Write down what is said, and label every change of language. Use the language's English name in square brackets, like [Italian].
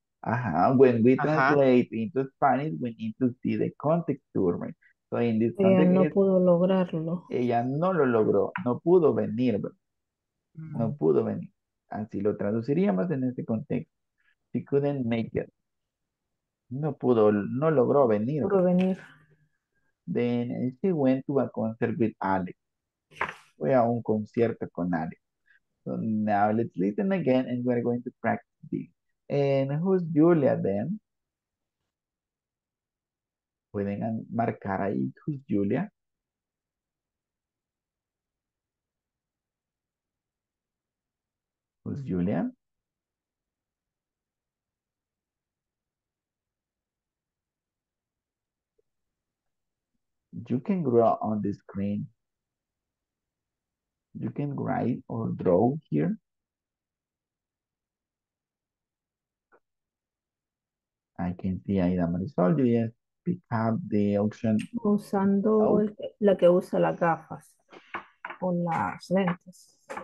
[English] Ajá, when we translate into Spanish, we need to see the context too, right? So in this context, [Spanish] ella no pudo lograrlo. Ella no lo logró, no pudo venir, bro. No pudo venir. Así lo traduciríamos en este contexto. [English] She couldn't make it. [Spanish] No pudo, no logró venir. Pudo venir. [English] Then she went to a concert with Alex. [Spanish] Fue a un concierto con Alex. [English] So now let's listen again and we're going to practice this. And who's Julia then? [Spanish] Pueden marcar ahí, [English] who's Julia? Who's Julia? You can draw on the screen. You can write or draw here. I can see Aida Marisol, you just pick up the option. [Spanish] Usando la que usa las gafas o las lentes.